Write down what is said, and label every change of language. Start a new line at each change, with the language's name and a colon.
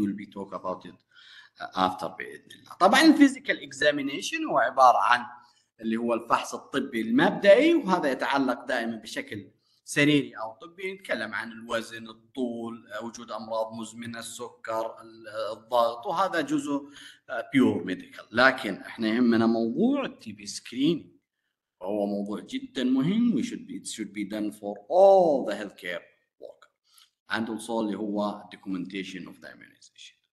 English: We'll be talk about it after
Arabic: بإذن الله. طبعا الفيزيكال examination هو عبارة عن اللي هو الفحص الطبي المبدئي، وهذا يتعلق دائما بشكل سريري أو طبي، نتكلم عن الوزن، الطول، وجود أمراض مزمنة، السكر، الضغط، وهذا جزء pure medical. لكن احنا يهمنا موضوع التي بي سكرين، وهو موضوع جدا مهم.
English: We should be, it should be done for all the healthcare worker. And also اللي هو documentation of the immunization.